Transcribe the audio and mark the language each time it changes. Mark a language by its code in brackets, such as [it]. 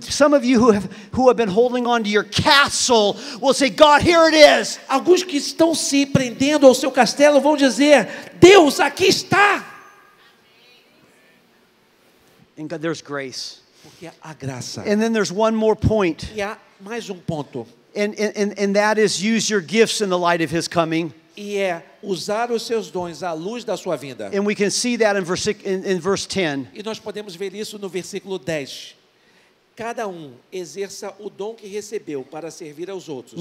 [en] Some of you who have been holding on to your castle will say, God, here it is. [pt] Alguns que estão se prendendo ao seu castelo vão dizer, Deus, aqui está. [en] And God, there's grace. [pt] Porque há graça. [en] And then there's one more point. [pt] E há mais ponto. [en] And that is use your gifts in the light of His coming. [pt] E é usar os seus dons à luz da sua vinda. [en] And we can see that in verse 10. [pt] E nós podemos ver isso no versículo 10. Cada exerça o dom que recebeu para servir aos outros.